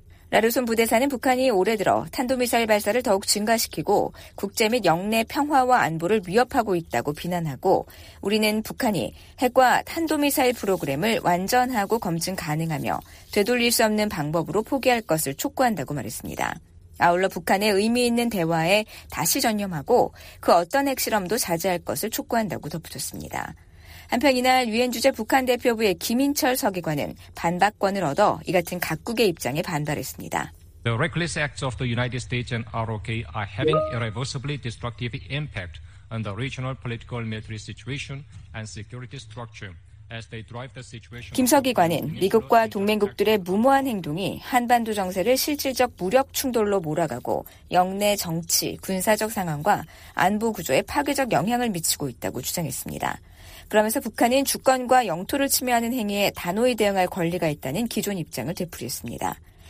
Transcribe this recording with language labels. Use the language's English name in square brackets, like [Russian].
[Korean] 라르손 부대사는 북한이 올해 들어 탄도미사일 발사를 더욱 증가시키고 국제 및 영내 평화와 안보를 위협하고 있다고 비난하고 우리는 북한이 핵과 탄도미사일 프로그램을 완전하고 검증 가능하며 되돌릴 수 없는 방법으로 포기할 것을 촉구한다고 말했습니다. 아울러 북한의 의미 있는 대화에 다시 전념하고 그 어떤 핵실험도 자제할 것을 촉구한다고 덧붙였습니다. 한편 이날 유엔 주재 북한 대표부의 김인철 서기관은 반박권을 얻어 이 같은 각국의 입장에 반발했습니다. [English] The reckless acts of the United States and ROK are having irreversibly destructive impact on the regional political military situation and security structure. [Korean] 김 서기관은 미국과 동맹국들의 무모한 행동이 한반도 정세를 실질적 무력 충돌로 몰아가고 영내 정치, 군사적 상황과 안보 구조에 파괴적 영향을 미치고 있다고 주장했습니다. 그러면서 북한은 주권과 영토를 침해하는 행위에 단호히 대응할 권리가 있다는 기존 입장을 되풀이했습니다.